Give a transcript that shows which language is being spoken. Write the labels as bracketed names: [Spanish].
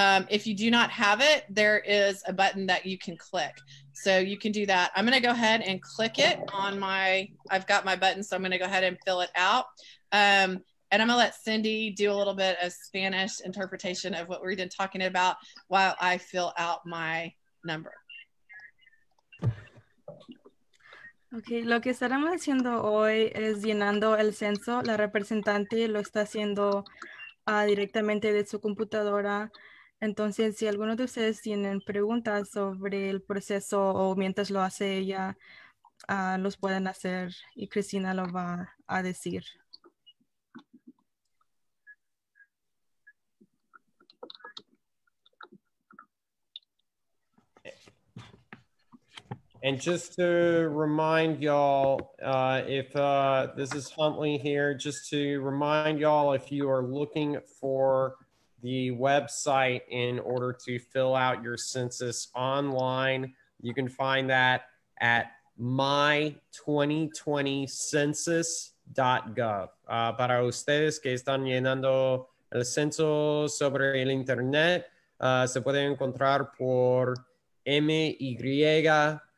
[English] If you do not have it, there is a button that you can click. So you can do that. I'm going to go ahead and click it on my, I've got my button, so I'm going to go ahead and fill it out. And I'm going to let Cindy do a little bit of Spanish interpretation of what we've been talking about while I fill out my number. [Spanish] Okay, lo que estaremos haciendo hoy es llenando el censo. La representante lo está haciendo directamente de su computadora. Entonces, si alguno de ustedes tienen preguntas sobre el proceso o mientras lo hace ella, los pueden hacer y Cristina lo va a decir. Okay. [English] And just to remind y'all, this is Huntley here, just to remind y'all, if you are looking for the website in order to fill out your census online, you can find that at my2020census.gov. [Spanish] Para ustedes que están llenando el censo sobre el internet, se puede encontrar por my2020census.gov.